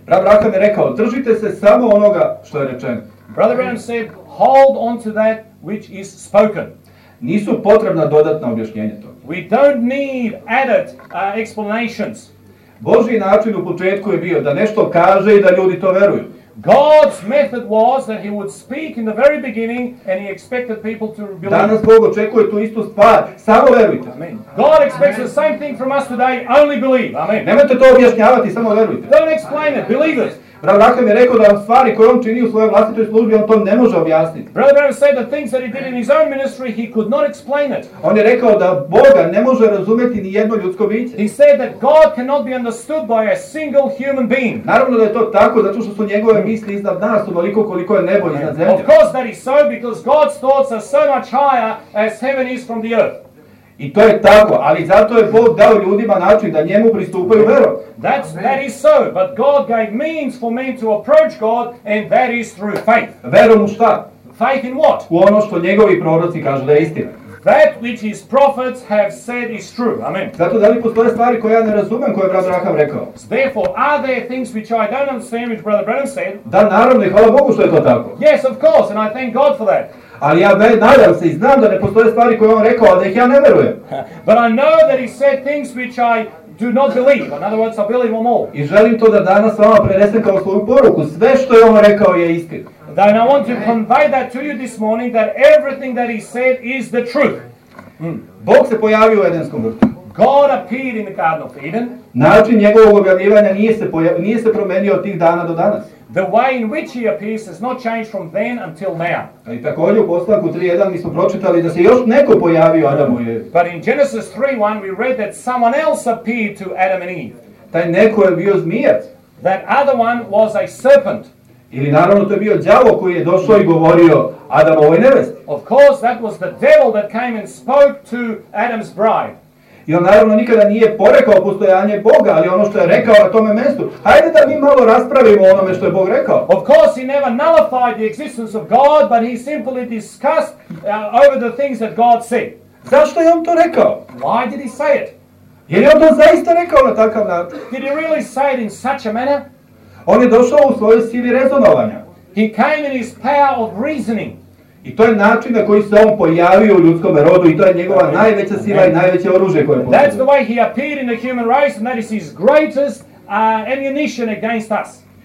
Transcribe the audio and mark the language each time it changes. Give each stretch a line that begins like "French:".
Serbian: Brother Branham je rekao, držite se samo onoga što je rečeno.
English: Brother Branham said, hold on to that which is spoken.
Serbian: Nisu potrebna dodatna objašnjenja to.
English: We don't need added explanations.
Serbian: Božji način u početku je bio da nešto kaže i da ljudi to veruju.
English: God's method was that he would speak in the very beginning and he expected people to believe.
Serbian: Danas Bog očekuje tu istu stvar, samo verujte.
English: Amen. God expects Amen. The same thing from us today, only believe. Amen.
Serbian: Nemojte to objašnjavati, samo verujte.
English: Don't explain it, believe it.
Serbian: Brother Branham je rekao da stvari koje on čini u svojoj vlastitoj službi, on to ne može objasniti.
English: Brother Branham said the things that he did in his own ministry, he could not explain it.
Serbian: On je rekao da Boga ne može razumjeti ni jedno ljudsko biće.
English: He said that God cannot be understood by a single human being.
Serbian: Naravno da je to tako, zato što su njegove misli iznad nas, ovoliko koliko je nebo iznad zemlje.
English: Of course that is so, because God's thoughts are so much higher as heaven is from the earth.
Serbian: I to je tako, ali zato je Bog dao ljudima način da njemu pristupaju verom.
English: That is so, but God gave means for men to approach God, and that is through faith.
Serbian: Verom u šta?
English: Faith in what?
Serbian: U ono što njegovi proroci kažu da je istina.
English: That which his prophets have said is true. Amen.
Serbian: Zato da li postoje stvari koje ja ne razumem koje je Brother Branham rekao?
English: Therefore, are there things which I don't understand which Brother Branham said?
Serbian: Da, naravno, hvala Bogu što je to tako.
English: Yes, of course, and I thank God for that.
Serbian: Ali ja nadam se i znam da ne postoje stvari koje on rekao, a da ih ja ne verujem.
English: But I know that he said things which I do not believe. In other words, I believe them all.
Serbian: I želim to da danas vama prenesem kao svoju poruku. Sve što je on rekao je istina.
English: Then I want to convey that to you this morning, that everything that he said is the truth.
Serbian: Bog se pojavio u Edenskom vrtu.
English: God appeared in the Garden of Eden.
Serbian: Način njegovog objavljivanja nije se promenio od tih dana do danas.
English: The way in which he appears has not changed from then until now.
Serbian: I također u Postanku 3.1 mi smo pročitali da se još neko pojavio Adamu i Evi.
English: But in Genesis 3.1 we read that someone else appeared to Adam and Eve.
Serbian: Taj neko je bio zmijac.
English: That other one was a serpent.
Serbian: Ili naravno to je bio đavo koji je došao i govorio Adamovoj nevesti.
English: Of course that was the devil that came and spoke to Adam's bride.
Serbian: I on naravno nikada nije porekao postojanje Boga, ali ono što je rekao na tome mjestu. Hajde da mi malo raspravimo onome što je Bog rekao.
English: Of course he never nullified the existence of God, but he simply discussed over the things that God said.
Serbian: Zašto je on to rekao?
English: Why did he say it?
Serbian: Je li on to zaista rekao na takav način?
English: Did he really say it in such a manner?
Serbian: On je došao u svojoj sili rezonovanja.
English: He came in his power of reasoning.
Serbian: I to je način na koji se on pojavio u ljudskom rodu i to je njegova najveća sila i najveće oružje koje postoji.
English: That's the way he appeared in the human race and that is his greatest ammunition against us.